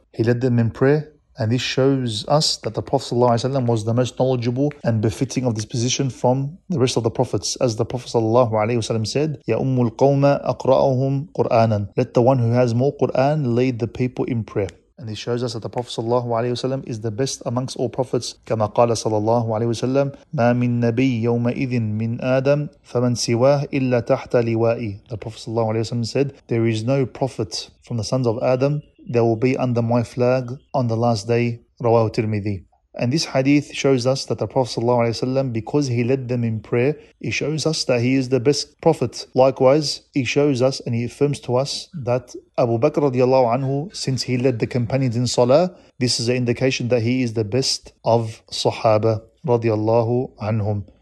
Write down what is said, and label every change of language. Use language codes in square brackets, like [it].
[en] He led them in prayer, and this shows us that the Prophet sallallahu alayhi wasallam was the most knowledgeable and befitting of this position from the rest of the prophets. As the Prophet sallallahu alayhi wasallam said, [ar] Ya ummul qawma aqra'uhum Qur'anan. [en] Let the one who has more Qur'an lead the people in prayer. And this shows us that the Prophet sallallahu alayhi wa sallam is the best amongst all prophets. [ar] كما قال صلى الله عليه وسلم ما من نبي يومئذ من آدم فمن سواه إلا تحت لوائي. [en] The Prophet sallallahu alayhi wa sallam said, there is no prophet from the sons of Adam that will be under my flag on the last day. [ar] رواه الترمذي. [en] And this hadith shows us that the Prophet ﷺ, because he led them in prayer, he shows us that he is the best prophet. Likewise, he shows us and he affirms to us that Abu Bakr radiallahu anhu, since he led the companions in salah, this is an indication that he is the best of Sahaba radiallahu anhum.